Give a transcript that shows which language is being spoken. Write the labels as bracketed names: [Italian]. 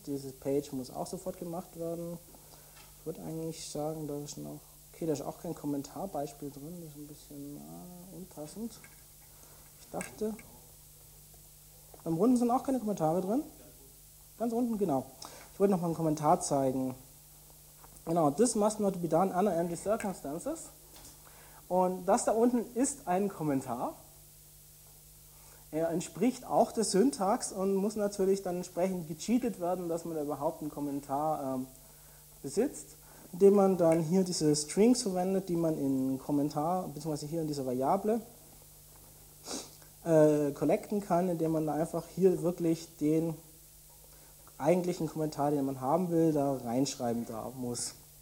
[German] Diese Page muss auch sofort gemacht werden. Ich würde eigentlich sagen, da ist noch. Okay, da ist auch kein Kommentarbeispiel drin, das ist ein bisschen unpassend. Ich dachte. Beim Runden sind auch keine Kommentare drin. Ganz unten, genau. Ich wollte nochmal einen Kommentar zeigen. [English] Genau, this must not be done under any circumstances. [German] Und das da unten ist ein Kommentar. Er entspricht auch der Syntax und muss natürlich dann entsprechend gecheatet werden, dass man da überhaupt einen Kommentar besitzt, indem man dann hier diese Strings verwendet, die man in Kommentar, beziehungsweise hier in dieser Variable collecten kann, indem man da einfach hier wirklich den eigentlichen Kommentar, den man haben will, da reinschreiben da muss.